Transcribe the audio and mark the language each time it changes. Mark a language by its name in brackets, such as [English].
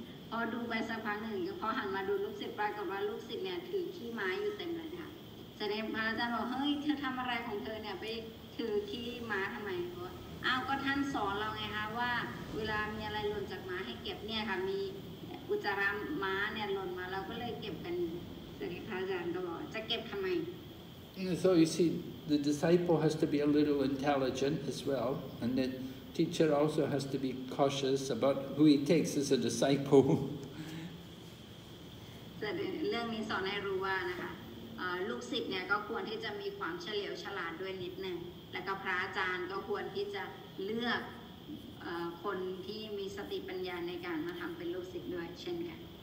[Thai] พอดูไปสักพักหนึ่งพอหันมาดูลูกศิษย์ปรากฏว่าลูกศิษย์เนี่ยถือขี้ไม้อยู่เต็มเลยค่ะแสดงพระอาจารย์บอกเฮ้ยเธอทำอะไรของเธอเนี่ยไปถือขี้ม้าทำไมเพราะอ้าวก็ท่านสอนเราไงคะว่าเวลามีอะไรหล่นจากม้าให้เก็บเนี่ยค่ะมีอุจจาระม้าเนี่ยหล่นมาเราก็เลยเก็บกันแสดงพระอาจารย์ก็บอกจะเก็บทำไม [English] So you see the disciple has to be a little intelligent as well and thenTeacher also has to be cautious about who he takes as a disciple. [Thai] เรื่องนี้สอนให้รู้ว่านะคะลูกศิษย์เนี่ยก็ควรที่จะมีความเฉลียวฉลาดด้วยนิดนึงแล้วก็พระอาจารย์ก็ควรที่จะเลือกคนที่มีสติปัญญาในการมาทำเป็นลูกศิษย์ด้วยเช่นกัน